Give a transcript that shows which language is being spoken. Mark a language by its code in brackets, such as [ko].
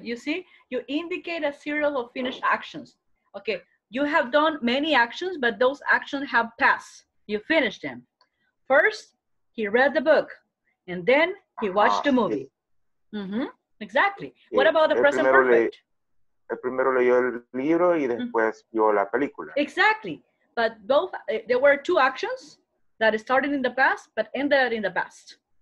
[en] You see, you indicate a series of finished actions. Okay, you have done many actions, but those actions have passed. You finished them. First, he read the book, and then he watched the movie. Yes. Mm-hmm. Exactly. Yes. What about the present perfect? [es] El primero leyó el libro y después vio la película. [en] Exactly. But both, there were two actions that started in the past, but ended in the past.